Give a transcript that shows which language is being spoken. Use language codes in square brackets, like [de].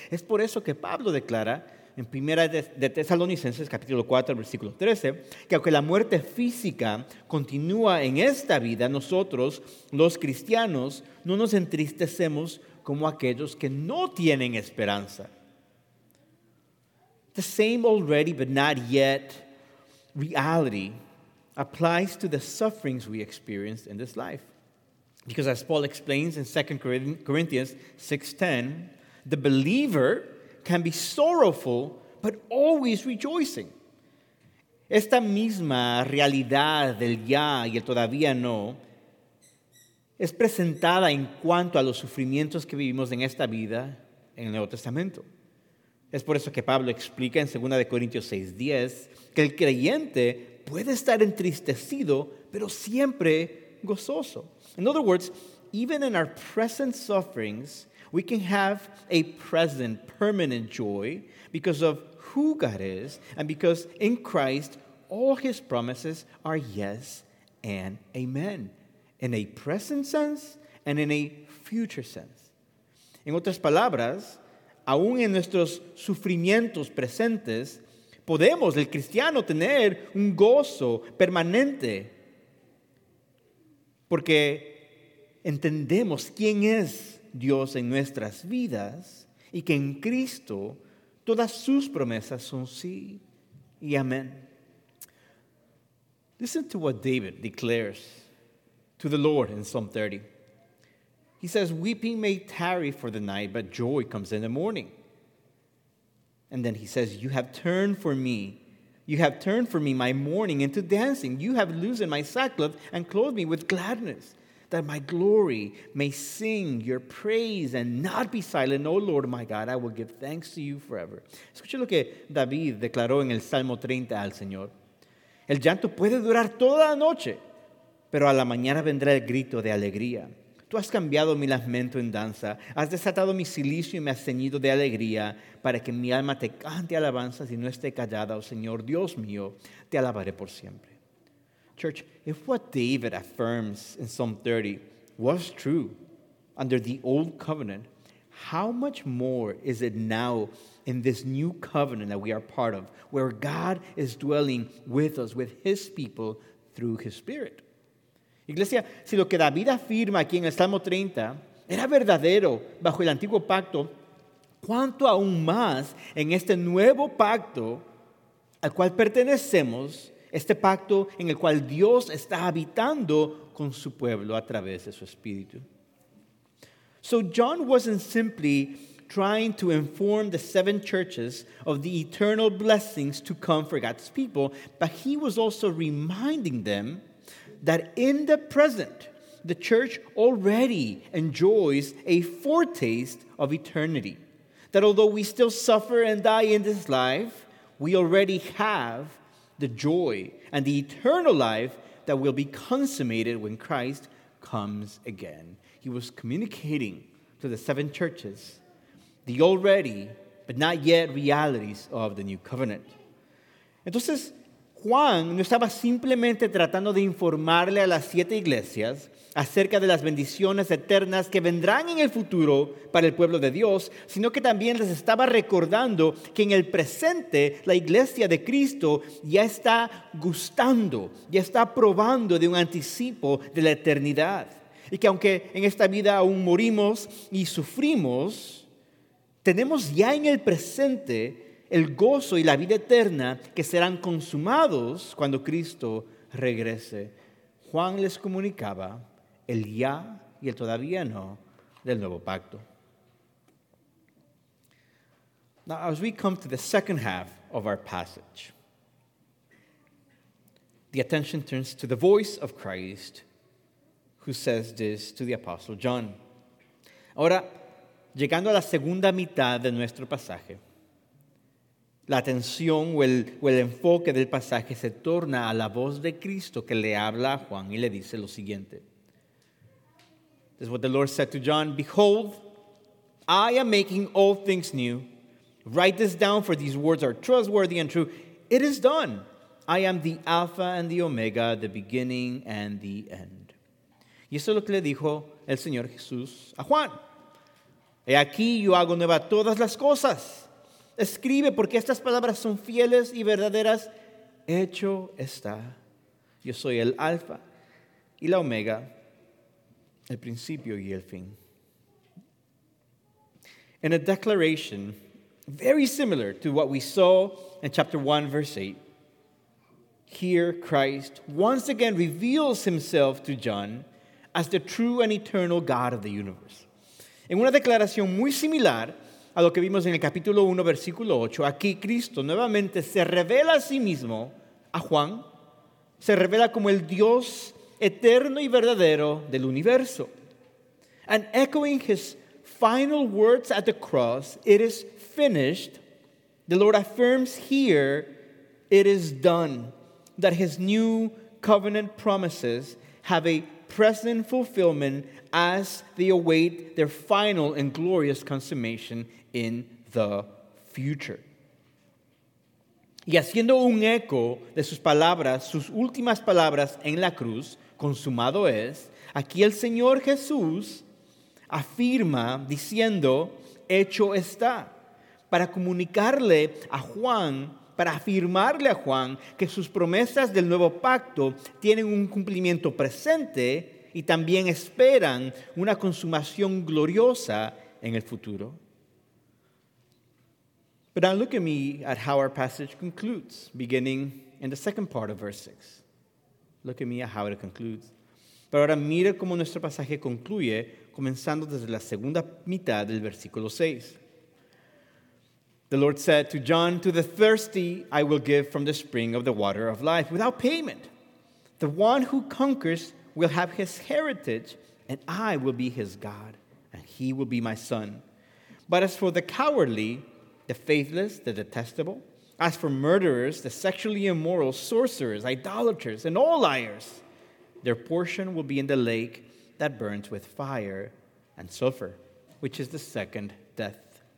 [es] Es por eso que Pablo declara en 1 Tesalonicenses capítulo 4, versículo 13, que aunque la muerte física continúa en esta vida, nosotros, los cristianos, no nos entristecemos como aquellos que no tienen esperanza. [en] The same already but not yet reality applies to the sufferings we experience in this life. Because as Paul explains in 2 Corinthians 6:10, the believer can be sorrowful, but always rejoicing. [es] Esta misma realidad del ya y el todavía no es presentada en cuanto a los sufrimientos que vivimos en esta vida en el Nuevo Testamento. Es por eso que Pablo explica en 2 Corintios 6:10 que el creyente puede estar entristecido, pero siempre gozoso. [en] In other words, even in our present sufferings, we can have a present, permanent joy because of who God is and because in Christ, all his promises are yes and amen, in a present sense and in a future sense. [es] En otras palabras, aún en nuestros sufrimientos presentes, podemos, el cristiano, tener un gozo permanente porque entendemos quién es Dios en nuestras vidas y que en Cristo todas sus promesas son sí y amén. [en] Listen to what David declares to the Lord in Psalm 30. He says, "Weeping may tarry for the night, but joy comes in the morning." And then he says, "You have turned for me. You have turned for me my mourning into dancing. You have loosened my sackcloth and clothed me with gladness, that my glory may sing your praise and not be silent. Oh Lord, my God, I will give thanks to you forever." [es] Escuche lo que David declaró en el Salmo 30 al Señor. El llanto puede durar toda la noche, pero a la mañana vendrá el grito de alegría. Tú has cambiado mi lamento en danza, has desatado mi cilicio y me has ceñido de alegría para que mi alma te cante alabanzas y no esté callada, oh Señor, Dios mío, te alabaré por siempre. [en] Church, if what David affirms in Psalm 30 was true under the old covenant, how much more is it now in this new covenant that we are part of, where God is dwelling with us, with his people, through his Spirit? [es] Iglesia, si lo que David afirma aquí en el Salmo 30 era verdadero bajo el antiguo pacto, ¿cuánto aún más en este nuevo pacto al cual pertenecemos, este pacto en el cual Dios está habitando con su pueblo a través de su Espíritu? [en] So John wasn't simply trying to inform the seven churches of the eternal blessings to come for God's people, but he was also reminding them that in the present, the church already enjoys a foretaste of eternity. That although we still suffer and die in this life, we already have the joy and the eternal life that will be consummated when Christ comes again. He was communicating to the seven churches the already, but not yet, realities of the new covenant. [es] Entonces, Juan no estaba simplemente tratando de informarle a las siete iglesias acerca de las bendiciones eternas que vendrán en el futuro para el pueblo de Dios, sino que también les estaba recordando que en el presente la iglesia de Cristo ya está gustando, ya está probando de un anticipo de la eternidad. Y que aunque en esta vida aún morimos y sufrimos, tenemos ya en el presente el gozo y la vida eterna que serán consumados cuando Cristo regrese. Juan les comunicaba el ya y el todavía no del nuevo pacto. [en] Now, as we come to the second half of our passage, the attention turns to the voice of Christ, who says this to the Apostle John. [es] Ahora, llegando a la segunda mitad de nuestro pasaje, la atención o el enfoque del pasaje se torna a la voz de Cristo que le habla a Juan y le dice lo siguiente. [en] This is what the Lord said to John. "Behold, I am making all things new. Write this down, for these words are trustworthy and true. It is done. I am the Alpha and the Omega, the beginning and the end." [es] Y eso es lo que le dijo el Señor Jesús a Juan. "He aquí, yo hago nueva todas las cosas. Escribe, porque estas palabras son fieles y verdaderas. Hecho está. Yo soy el Alfa y la Omega, el principio y el fin." [en] In a declaration very similar to what we saw in chapter 1, verse 8, here Christ once again reveals himself to John as the true and eternal God of the universe. [es] En una declaración muy similar a lo que vimos en el capítulo 1, versículo 8, aquí Cristo nuevamente se revela a sí mismo, a Juan, se revela como el Dios eterno y verdadero del universo. [en] And echoing his final words at the cross, "It is finished," the Lord affirms here, "It is done," that his new covenant promises have a present fulfillment as they await their final and glorious consummation in the future. [es] Y haciendo un eco de sus palabras, sus últimas palabras en la cruz, consumado es, aquí el Señor Jesús afirma diciendo, hecho está, para comunicarle a Juan, para afirmarle a Juan que sus promesas del nuevo pacto tienen un cumplimiento presente y también esperan una consumación gloriosa en el futuro. [en] But now look at me at how our passage concludes, beginning in the second part of verse 6. Look at me at how it concludes. [es] Pero ahora mire cómo nuestro pasaje concluye, comenzando desde la segunda mitad del versículo 6. [en] The Lord said to John, "To the thirsty I will give from the spring of the water of life without payment. The one who conquers will have his heritage, and I will be his God, and he will be my son. But as for the cowardly, the faithless, the detestable, as for murderers, the sexually immoral, sorcerers, idolaters, and all liars, their portion will be in the lake that burns with fire and sulfur, which is the second death."